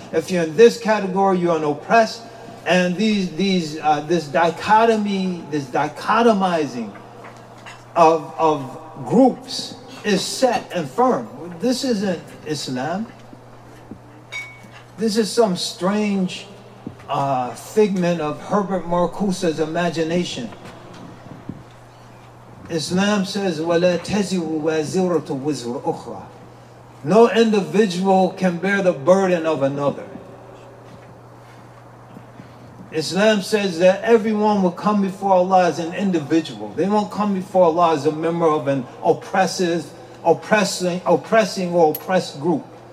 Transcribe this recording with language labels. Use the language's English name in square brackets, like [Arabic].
[English] If you're in this category, you're an oppressed. And this dichotomizing of groups is set and firm. This isn't Islam. This is some strange figment of Herbert Marcuse's imagination. Islam says, [Arabic] وَلَا تَزِرُ وَازِرَةُ وِزْرُ أُخْرَى. [English] No individual can bear the burden of another. Islam says that everyone will come before Allah as an individual. They won't come before Allah as a member of an oppressing or oppressed group.